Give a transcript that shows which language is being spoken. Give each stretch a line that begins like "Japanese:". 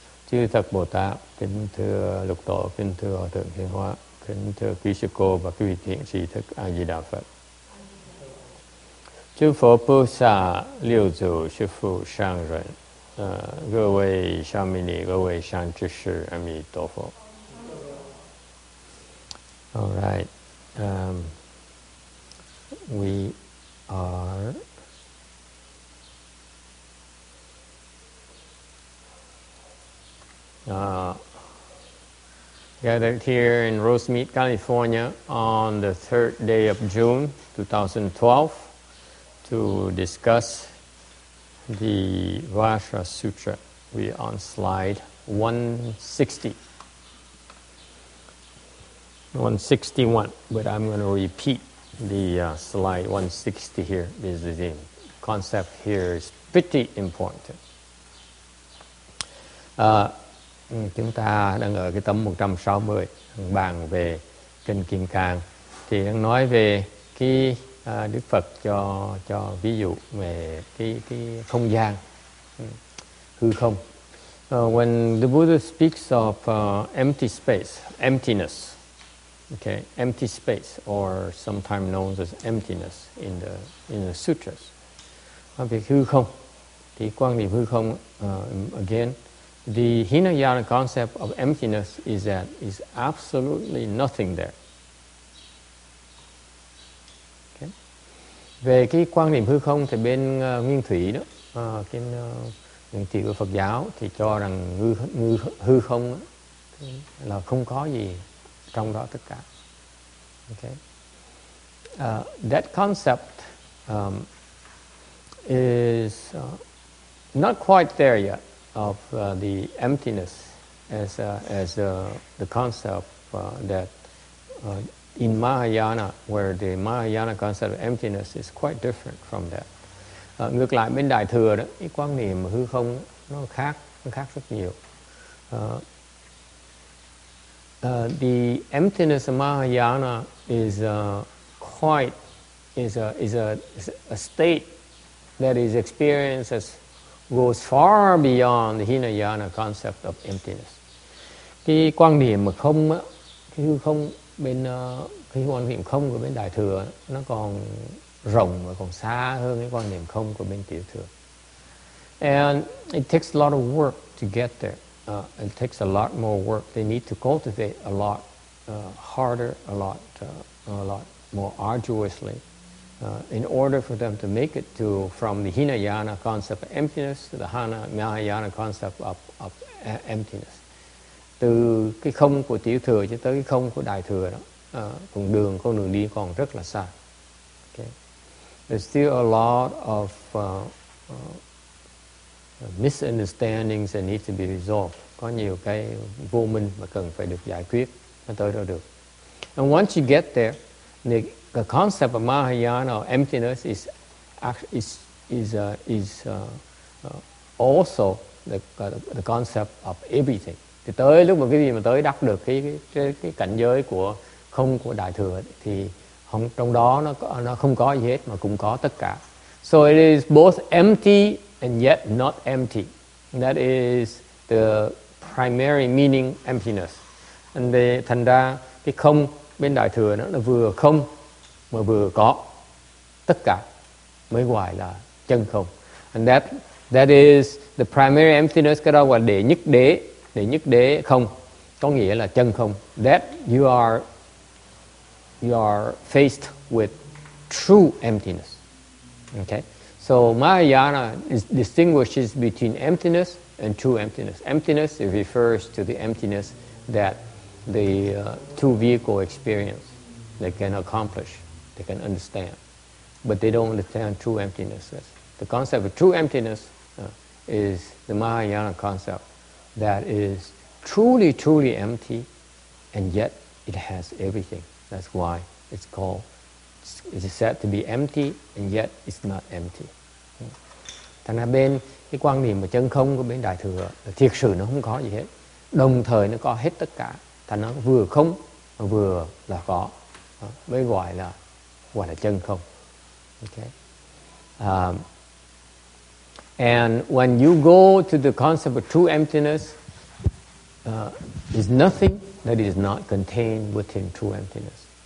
Vietnamese: Chư Thập Bồ Tát, kính thưa Lục Tổ, kính thưa Hòa Thượng Hiền Hóa, kính thưa Quý Sư Cô và quý vị thiện sĩ thức A Di Đà Phật. Chư Phổ Bồ Tát, Liêu Chủ, Sư Phụ, Sang Rận, Gơ Vê Shamini, Gơ Vê Sang Chư Sư, Amitofo.
English: All right, we are gathered here in Rosemead, California on the third day of June 2012 to discuss the Vajra Sutra. We are on slide 160. 161, but I'm going to repeat the slide 160 here. This is the concept here is pretty important.
Vietnamese: Chúng ta đang ở cái tấm 160 bàn về kinh Kim Cang, thì đang nói về cái Đức Phật cho ví dụ về cái không gian hư không.
English: When the Buddha speaks of empty space, emptiness. Okay, empty space, or sometimes known as emptiness in the sutras.
Vietnamese: Hư không, thì quan niệm hư không,
English: again, the Hinayana concept of emptiness is that is absolutely nothing there. Okay.
Vietnamese: Về cái quan niệm hư không thì bên Nguyên Thủy đó, trên Nguyên Thủy của Phật giáo thì cho rằng hư không là không có gì trong đó tất cả.
English: Okay. That concept is not quite there yet of the emptiness as the concept that in Mahayana, where the Mahayana concept of emptiness is quite different from that.
Vietnamese: Ngược lại bên Đại Thừa đó, cái quan niệm hư không nó khác rất nhiều.
English: The emptiness of Mahayana is quite is a state that his experiences goes far beyond the Hinayana concept of emptiness.
Vietnamese: Cái quan điểm mà không cái hư không bên cái quan điểm không của bên đại thừa nó còn rộng và còn xa hơn cái quan điểm không của bên tiểu thừa.
English: And it takes a lot of work to get there. It takes a lot more work. They need to cultivate a lot harder, a lot more arduously, in order for them to make it to from the Hinayana concept of emptiness to the Mahayana concept of emptiness.
Vietnamese: Từ cái không của tiểu thừa cho tới cái không của đại thừa đó, con đường đi còn rất là xa.
English: Okay. There's still a lot of misunderstandings that need to be resolved.
Vietnamese: Có nhiều cái vô minh mà cần phải được giải quyết mới tới đó được.
English: And once you get there, the concept of Mahayana or emptiness is also the concept of everything.
Vietnamese: Thì tới lúc mà cái gì mà tới đắc được cái cảnh giới của không của đại thừa thì không, trong đó nó không có gì hết mà cũng có tất cả.
English: So it is both empty and yet not empty. And that is the primary meaning emptiness. And the
Vietnamese: thành ra cái không bên đại thừa nó là vừa không mà vừa có tất cả mới gọi là chân không.
English: And that is the primary emptiness,
Vietnamese: cái đó gọi là đệ nhất đế không, có nghĩa là chân không.
English: That you are faced with true emptiness. Okay. So Mahayana distinguishes between emptiness and true emptiness. Emptiness, it refers to the emptiness that the two vehicle experience, they can accomplish, they can understand. But they don't understand true emptiness. The concept of true emptiness is the Mahayana concept that is truly, truly empty, and yet it has everything. That's why it's called, it's said to be empty, and yet it's not empty.
Vietnamese: Thành ra bên cái quan điểm mà chân không của bên đại thừa là thiệt sự nó không có gì hết, đồng thời nó có hết tất cả, thành nó vừa không vừa là có, mới gọi là chân không.
English: Okay. And when you go to the concept of true emptiness, there's nothing that is not contained within true emptiness.